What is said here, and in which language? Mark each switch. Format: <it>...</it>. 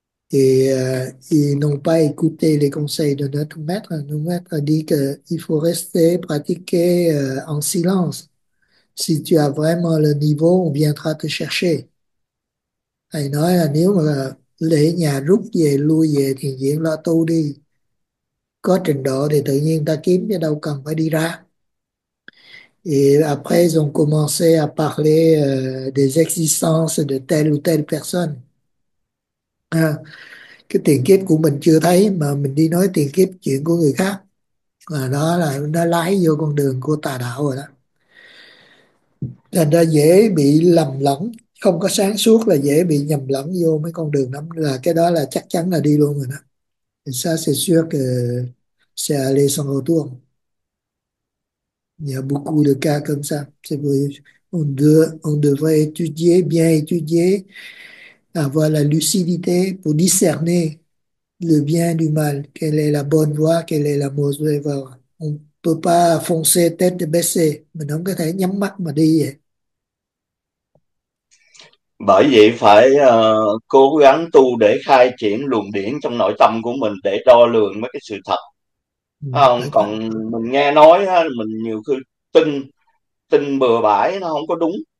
<fr>Et ils n'ont pas écouté les conseils de notre maître. Notre maître a dit qu'il faut rester pratiquer en silence. Si tu as vraiment le niveau, on viendra te chercher.</fr> <vi>Thầy nói là nếu mà lễ nhà rút về, lui về thì diễn lo tu đi. Có trình độ thì tự nhiên ta kiếm chứ đâu cần phải đi ra.</vi> <fr>Et après, ils ont commencé à parler des existences de telle ou telle personne.</fr> <vi>À, cái tiền kiếp của mình chưa thấy mà mình đi nói tiền kiếp chuyện của người khác. À, đó là nó lái vô con đường của tà đạo rồi đó. Thành ra dễ bị lầm lẫn, không có sáng suốt là dễ bị nhầm lẫn vô mấy con đường lắm, là cái đó là chắc chắn là đi luôn rồi đó.</vi> <fr>Ça c'est sûr que c'est aller sans retour. Il y a beaucoup de cas comme ça. On devrait étudier, bien étudier, avoir la lucidité pour discerner le bien du mal, quelle est la bonne voie, quelle est la mauvaise voie. On ne peut pas foncer tête baissée, mais on peut</fr> <vi>nhắm mắt mà đi. Bởi vậy phải cố gắng tu để khai triển luồng điển trong nội tâm của mình để đo lường mấy cái sự thật. Còn mình nghe nói mình nhiều khi tin tin bừa bãi, nó không có đúng.</vi>